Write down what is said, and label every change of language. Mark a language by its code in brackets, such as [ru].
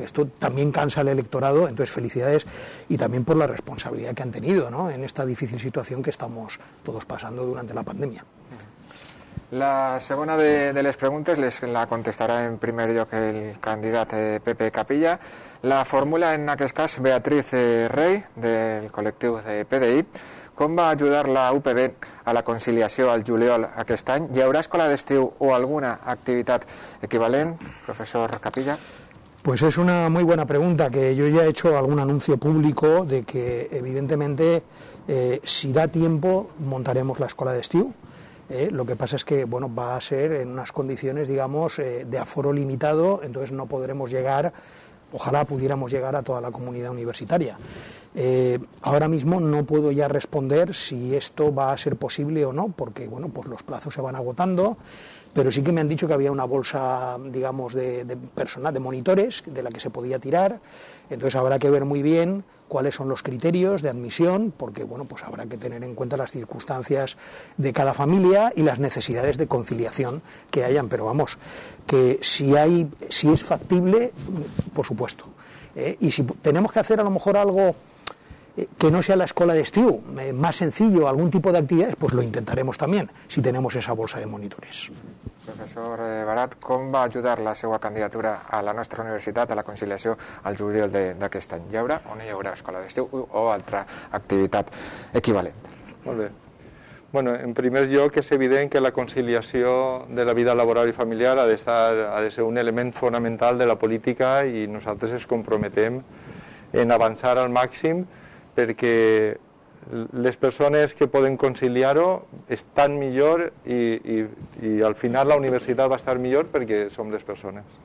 [es] Esto también cansa al electorado, entonces felicidades, y también por la responsabilidad que han tenido, ¿no?, en esta difícil situación que estamos todos pasando durante la pandemia. La segunda de las preguntas les la contestará [ca] en primer lloc [es] el candidato Pepe Capilla. La fórmula en aquel caso Beatriz Rey, del colectivo de PDI. [ca] Com va ajudar la UPB a la conciliació al juliol aquest any? Hi haurà escola d'estiu o alguna activitat equivalent, professor Capilla? [es] Pues es una muy buena pregunta, que yo ya he hecho algún anuncio público de que, evidentemente, si da tiempo, montaremos la escola d'estiu. Lo que pasa es que, bueno, va a ser en unas condiciones, digamos, de aforo limitado, entonces no podremos llegar, ojalá pudiéramos llegar a toda la comunidad universitaria. Ahora mismo no puedo ya responder si esto va a ser posible o no, porque bueno, pues los plazos se van agotando, pero sí que me han dicho que había una bolsa, digamos, de personal, de monitores, de la que se podía tirar. Entonces habrá que ver muy bien cuáles son los criterios de admisión, porque bueno, pues habrá que tener en cuenta las circunstancias de cada familia y las necesidades de conciliación que hayan. Pero vamos, que si es factible, por supuesto. Y si tenemos que hacer a lo mejor algo que no sea la escuela de estiu, más sencillo, algún tipo de actividades, pues lo intentaremos también, si tenemos esa bolsa de monitores. [ca] Professor Barat, com va ajudar la seva candidatura a la nostra universitat, a la conciliació, al juliol d'aquest any? Hi haurà o no hi haurà escola d'estiu o altra activitat equivalent? Molt bé. Bueno, en primer lloc, és evident que la conciliació de la vida laboral i familiar ha de ser un element fonamental de la política, i nosaltres ens comprometem en avançar al màxim perquè les persones que poden conciliar-ho estan millor i al final la universitat va estar millor perquè som les persones.